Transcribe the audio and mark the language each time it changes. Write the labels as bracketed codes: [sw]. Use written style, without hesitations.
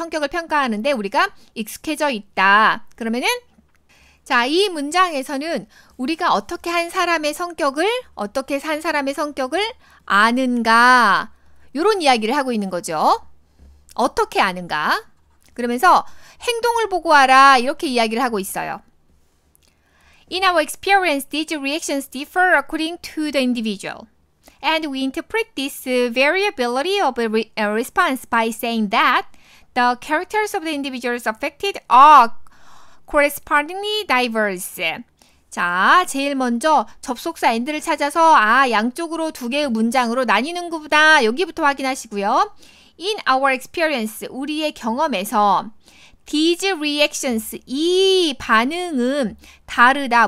[ko] 성격을 평가하는 데 우리가 익숙해져 있다. 그러면은 자, 이 문장에서는 우리가 어떻게 한 사람의 성격을 어떻게 산 사람의 성격을 아는가 이런 이야기를 하고 있는 거죠. 어떻게 아는가? 그러면서 행동을 보고 알아 이렇게 이야기를 하고 있어요. [en] In our experience, these reactions differ according to the individual. And we interpret this variability of a response by saying that the characters of the individuals affected are correspondingly diverse. [ko] 자, 제일 먼저 접속사 end를 찾아서 아, 양쪽으로 두 개의 문장으로 나뉘는 거구나. 여기부터 확인하시고요. [en] In our experience, [ko] 우리의 경험에서 [en] these reactions, [ko] 이 반응은 다르다.